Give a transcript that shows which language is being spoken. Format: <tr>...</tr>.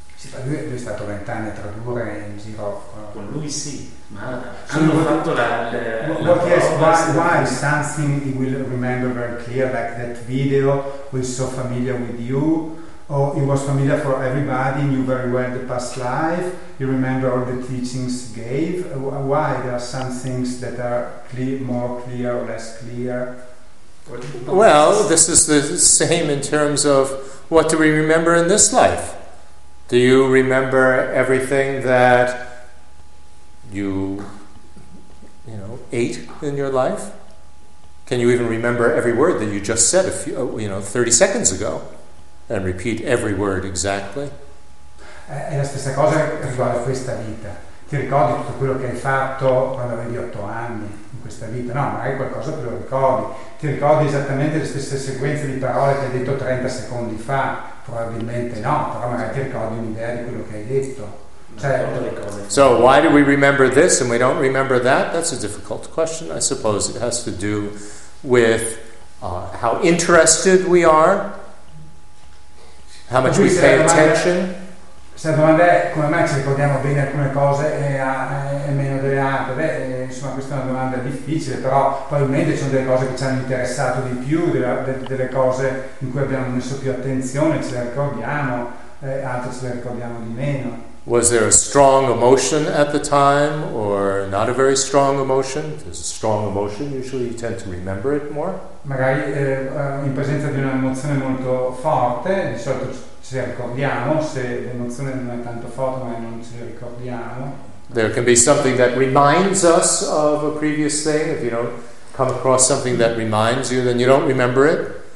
<it>Sì, ma lui è stato 20 anni a tradurre in giro. Con lui sì, ma hanno fatto la</it> <en>what is why is something he will remember very clear, like that video was so familiar with you, or oh, it was familiar for everybody, knew very well the past life, you remember all the teachings he gave. Why there are some things that are more clear or less clear? Well, this is the same in terms of what do we remember in this life. Do you remember everything that you ate in your life? Can you even remember every word that you just said a few, you know, 30 seconds ago and repeat every word exactly?</en> <it>È la stessa cosa riguardo questa vita. Ti ricordi tutto quello che hai fatto quando avevi 8 anni in questa vita? No, magari qualcosa te lo ricordi. Ti ricordi esattamente le stesse sequenze di parole che hai detto 30 secondi fa? Probabilmente no, però magari ti ricordi un'idea di quello che hai detto.</it> <en>So why do we remember this and we don't remember that? That's a difficult question. I suppose it has to do with how interested we are, how much we pay attention.</en> <it>Se la domanda è come mai ci ricordiamo bene alcune cose e meno delle altre, beh, insomma, questa è una domanda difficile, però probabilmente ci sono delle cose che ci hanno interessato di più, delle cose in cui abbiamo messo più attenzione, ce le ricordiamo, altre ce le ricordiamo di meno.</it> <en>Was there a strong emotion at the time, or not a very strong emotion? If there's a strong emotion, usually you tend to remember it more.</en> <it>Magari in presenza di un'emozione molto forte, di solito ci ricordiamo. Se l'emozione non è tanto forte, ma non ci ricordiamo.</it> <en>There can be something that reminds us of a previous thing. If you don't come across something that reminds you, then you don't remember it.</en>